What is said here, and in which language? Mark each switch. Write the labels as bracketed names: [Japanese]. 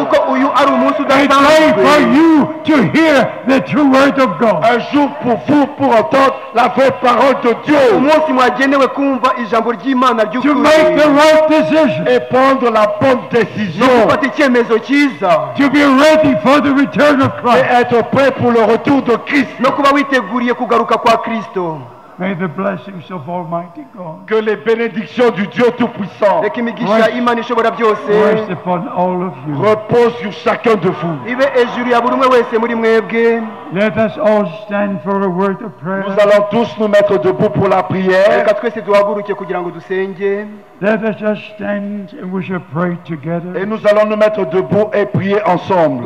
[English] A day for you to hear the true word of God. [French] Un jour pour vous pour entendre la vraie parole de Dieu. [Kinyarwanda] Umunsi mwagenewe kumva ijambo ry'Imana ry'ukuri. [English] To make the right decision. [French] Et prendre la bonne décision. [Kinyarwanda] No, icyemezo cyiza. [English] To be ready for the return of Christ. [French] Et être prêt pour le retour de Christ. [Kinyarwanda] No kuba witeguriye kugaruka kwa Kristo. [English] May the blessings of Almighty God, [French] que les bénédictions du Dieu Tout-Puissant, [English] rest upon all of you, [French] repose sur chacun de vous. [English] Let us all stand for a word of prayer. [French] Nous allons tous nous mettre debout pour la prière. [English] Let us just stand and we shall pray together. [French] Et nous allons nous mettre debout et prier ensemble.